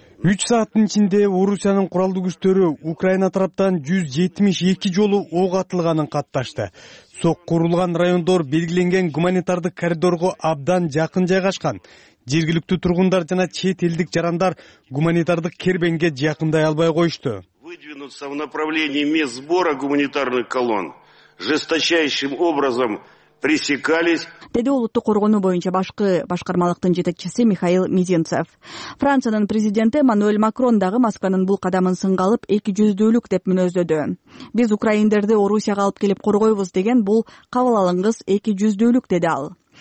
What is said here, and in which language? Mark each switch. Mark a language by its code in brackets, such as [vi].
[ky] 3 сааттын ичинде Орусиянын куралдуу күчтөрү Украина тараптан 172 жолу ок атылганын катташты. Соккурулган райондор белгиленген гуманитардык коридорго абдан жакын жайгашкан. Жергиликтүү тургундар жана чет элдик жарандар гуманитардык кербенге жакындай албай коюшту. [ru] Выдвинуться в направлении мест сбора гуманитарных колонн жесточайшим образом пресекались. [ky] Деди улуттук коргоону боюнча башкы башкармалыктын жетекчиси Михаил Мизинцев. Франциянын президенти Эммануэль Макрон дагы Москванын бул кадамын сынга алып, эки жүздүүлүк деп мүнөздөдү. Биз украиндерди Орусияга алып келип коргойбуз деген бул кабыл алынгыс эки жүздүүлүк, деди ал.